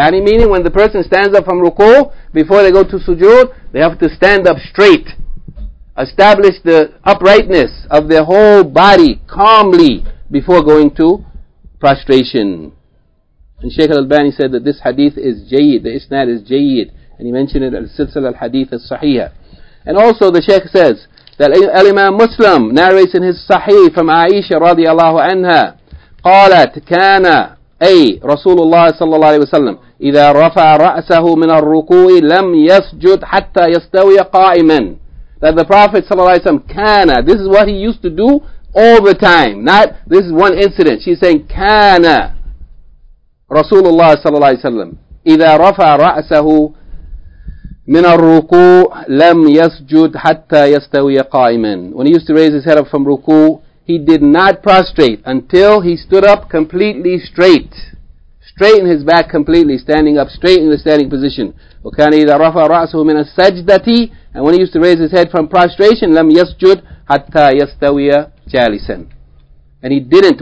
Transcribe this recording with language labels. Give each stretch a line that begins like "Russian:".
English: Yani meaning when the person stands up from ruku, before they go to sujood, they have to stand up straight. Establish the uprightness of their whole body calmly before going to prostration. And Shaykh al-Albani said that this hadith is jayyid, the isnad is jayyid. And he mentioned it al-silsal al-hadith al-sahiha. And also the Shaykh says that al-Imam Muslim narrates in his sahih from Aisha radiallahu anha,
Arabic: قالت كان أي رسول الله صلى الله عليه وسلم إذا رفع رأسه من الركوع لم يسجد حتى يستوي قائما.
English: That the Prophet صلى الله عليه وسلم كان. This is what he used to do all the time. Not this is one incident. She's saying
Arabic: كان رسول الله صلى الله عليه وسلم إذا رفع رأسه من الركوع لم يسجد حتى يستوي قائما.
English: When he used to raise his head up from ركوع, he did not prostrate until he stood up completely straight. Straighten his back completely, standing up straight in the standing position.
Arabic: وَكَانَ إِذَا رَفَى رَأْسُهُ مِنَ السَّجْدَةِ
English: And when he used to raise his head from prostration,
Arabic: لَمْ يَسْجُدْ حَتَّى يَسْتَوِيَ
English: jalisan. And he didn't.